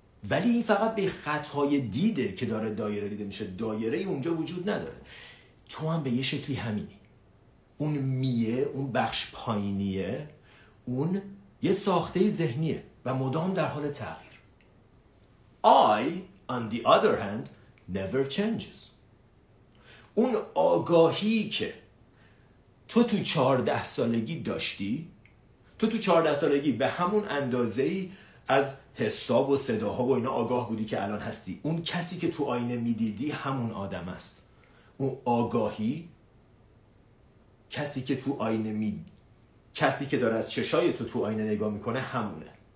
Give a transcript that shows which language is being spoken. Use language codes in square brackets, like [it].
[fa] ولی این فقط به خطهای دیده که داره دایره دیده میشه، دایره اونجا وجود نداره. تو هم به یه شکلی همینی. اون میه، اون بخش پایینیه، اون یه ساخته ذهنیه و مدام در حال تغییر. [en] I on the other hand never changes. [fa] اون آگاهی که تو تو 14 سالگی داشتی، تو 14 سالگی به همون اندازه‌ای از حساب و صداها و اینا آگاه بودی که الان هستی. اون کسی که تو آینه می‌دیدی همون آدم است. اون آگاهی، کسی که تو آینه می، کسی که داره از چشای تو آینه نگاه می‌کنه همونه.